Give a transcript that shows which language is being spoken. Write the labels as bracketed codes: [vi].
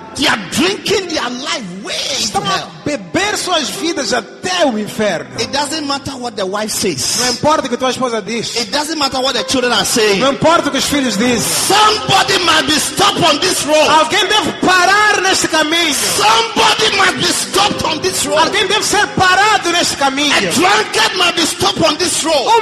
[en] They are drinking their life way to hell. [pt] Estão a beber suas vidas até o inferno. [en] It doesn't matter what the wife says. [pt] Não importa o que tua esposa diz. [en] It doesn't matter what the children are saying. [pt] Não importa o que os filhos dizem. [en] Somebody must be stopped on this road. [pt] Alguém deve parar neste caminho. [en] Somebody must be stopped on this road. [pt] Alguém deve ser parado neste caminho. [en] A drunkard must be stopped on this road.